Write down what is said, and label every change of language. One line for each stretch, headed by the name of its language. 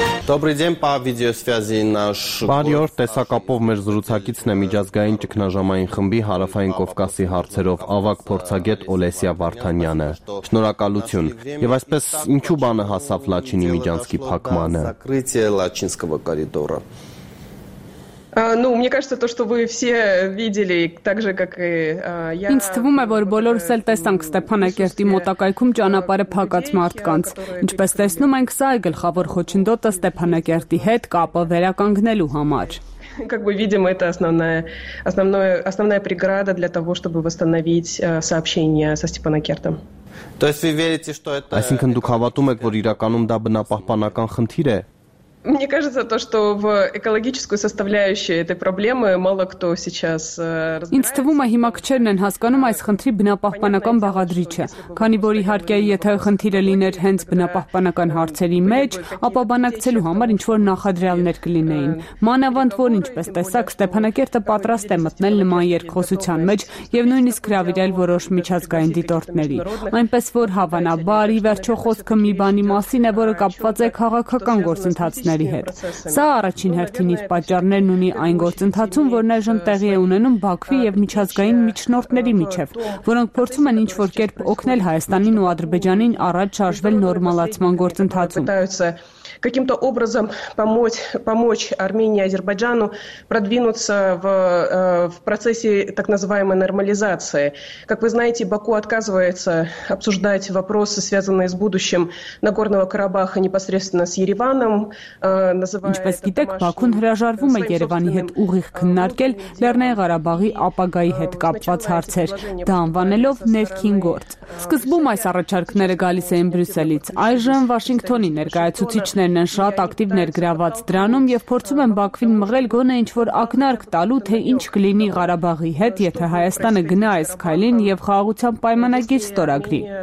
Russian: Добрый день, по видеосвязи наш
Armenian: Բարիօր, տեսակապով մեր զրուցակիցն է միջազգային ճգնաժամային խմբի Հարավային Կովկասի հարցերով ավակ փորձագետ Օլեսիա Վարդանյանը։ Շնորհակալություն։ Եվ այսպես ինչու բանը հասավ Լաչինի միջանցքի փակմանը։
Russian: Закрытие Лачинского коридора. Ну, мне кажется, то, что вы все видели, так же как и я.
Armenian: Ինձ թվում է, որ բոլորս էլ տեսանք Ստեփանակերտի մոտակայքում ճանապարհը փակած մարդկանց։ Ինչպես տեսնում ենք, սա է գլխավոր խոչընդոտը Ստեփանակերտի հետ կապը վերականգնելու համար։
Russian: Как бы видим, это основная преграда для того, чтобы восстановить сообщение со Степанакертом. То есть вы верите, что это
Armenian: Այսինքն դուք հավատում եք, որ իրականում դա բնապահպանական խնդիր է։
Russian: Мне кажется, то, что в экологическую составляющую этой проблемы мало кто сейчас разбирается.
Armenian: Ինձ թվում է, հիմա քչերն են հասկանում այս խնդրի բնապահպանական բաղադրիչը, քանի որ իհարկե եթե խնդիրը լիներ հենց բնապահպանական հարցերի մեջ, ապա բանակցելու համար ինչ-որ նախադրյալներ կլինեին։ Մանավանդ որ ինչպես տեսակ Ստեփանակերտը պատրաստ է մտնել նման երկխոսության մեջ եւ նույնիսկ հրավիրել որոշ միջազգային դիտորդների։ Այնպես որ հավանաբար ի վերջո խոսքը մի բանի մասին է, որը կապված է քաղաքական գործընթացի ների հետ։ Սա առաջին հերթին իր պատճառներն ունի այն գործընթացում, որն այժմ տեղի է ունենում Բաքվի եւ միջազգային միջնորդների միջև, որոնք փորձում են ինչ որ կերպ օգնել Հայաստանին ու Ադրբեջանին առաջ շարժվել նորմալացման գործընթացում։
Russian: Каким-то образом помочь Армении и Азербайджану продвинуться в процессе так называемой нормализации. Как вы знаете, Баку отказывается обсуждать вопросы, связанные с будущим Нагорного Карабаха непосредственно с Ереваном, называя
Armenian: Ինչպես գիտեք, Բաքուն հրաժարվում է Երևանի հետ ուղիղ քննարկել Լեռնային Ղարաբաղի ապագայի հետ կապված հարցեր, դա անվանելով ներքին գործ։ Սկզբում այս առաջարկները գալիս էին Բրյուսելից, այժմ Վաշինգտոնի ներկայացուցիչ նրան շատ ակտիվ ներգրաված դրանում եւ փորձում են Բաքվին մղել գոնե ինչ որ ակնարկ տալու թե ինչ կլինի Ղարաբաղի հետ եթե Հայաստանը գնա այս քայլին եւ խաղաղության պայմանագիր ստորագրի։